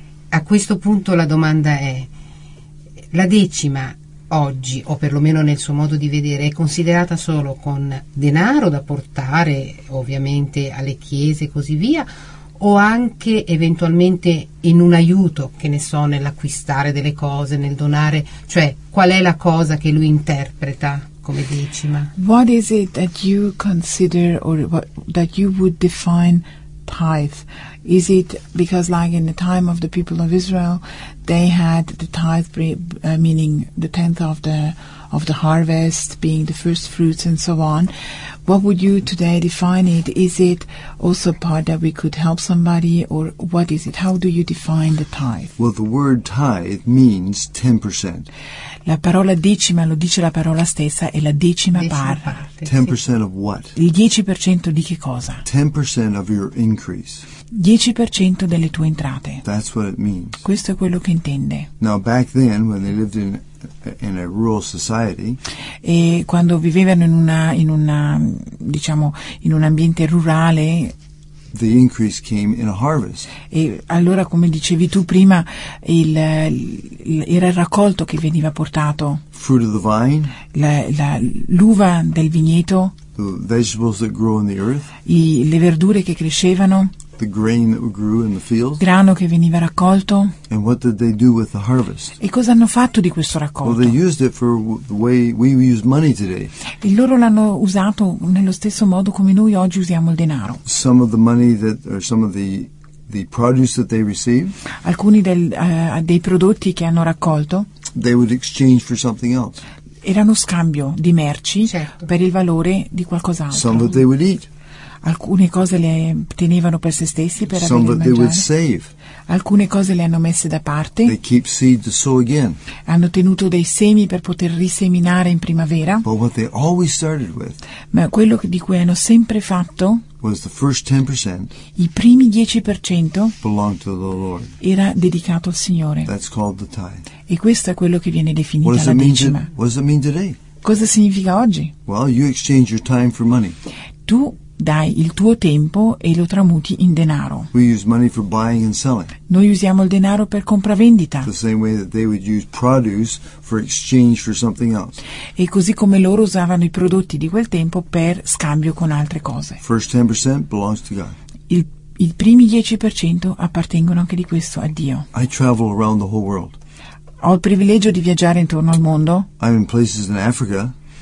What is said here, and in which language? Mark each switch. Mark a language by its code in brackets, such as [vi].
[it] A questo punto la domanda è: la decima oggi, o perlomeno nel suo modo di vedere, è considerata solo con denaro da portare ovviamente alle chiese e così via, o anche eventualmente in un aiuto, che ne so, nell'acquistare delle cose, nel donare? Cioè, qual è la cosa che lui interpreta come decima? [en] What is it that you consider or that you would define tithe? Is it because, like in the time of the people of Israel, they had the tithe, meaning the tenth of the harvest, being the first fruits and so on? What would you today define it? Is it also part that we could help somebody, or what is it? How do you define the tithe? Well, the word tithe means 10%. [it] La parola decima, lo dice la parola stessa, è la decima parte. [en] 10% of what? [it] Il 10% di che cosa? [en] 10% of your increase. [it] 10% delle tue entrate. [en] That's what it means. [it] Questo è quello che intende. [en] Now, back then, when they lived in a rural society, [it] e quando vivevano in un ambiente rurale, [en] the increase came in a harvest. [it] E allora, come dicevi tu prima, era il raccolto che veniva portato. [en] Fruit of the vine. [it] L'uva del vigneto. [en] The vegetables that grow in the earth. [it] Le verdure che crescevano. [en] The grain that grew in the fields. [it] Grano che veniva raccolto. [en] And what did they do with the harvest? [it] E cosa hanno fatto di questo raccolto? [en] Well, they used it for the way we use money today. [it] E loro l'hanno usato nello stesso modo come noi oggi usiamo il denaro. [en] Some of the money that, or some of the produce that they received. [it] Alcuni dei prodotti che hanno raccolto. [en] They would exchange for something else. [it] Erano scambio di merci, certo, per il valore di qualcos'altro. [en] Some that they would eat. [it] Alcune cose le tenevano per se stessi per [en] some [it] avere [en] they would save. [it] Alcune cose le hanno messe da parte. [en] They keep seed to sow again. [it] Hanno tenuto dei semi per poter riseminare in primavera. [en] But what they always started with, [it] ma quello di cui hanno sempre fatto, [en] was the first 10%, [it] i primi 10% [en] belonged to the Lord. [it] Era dedicato al Signore. [en] That's called the tithe. [it] E questo è quello che viene definito la decima. [en] What does it mean today? [it] Cosa significa oggi? [en] Well, you exchange your time for money. [it] Tu dai il tuo tempo e lo tramuti in denaro. [en] We use money for buying and selling. [it] Noi usiamo il denaro per compravendita. [en] The same way that they would use produce for exchange for something else. [it] E così come loro usavano i prodotti di quel tempo per scambio con altre cose. [en] First 10% belongs to God. [it] I primi 10% appartengono anche di questo a Dio. [en] I travel around the whole world. [it] Ho il privilegio di viaggiare intorno al mondo. [en] I'm in places in Africa.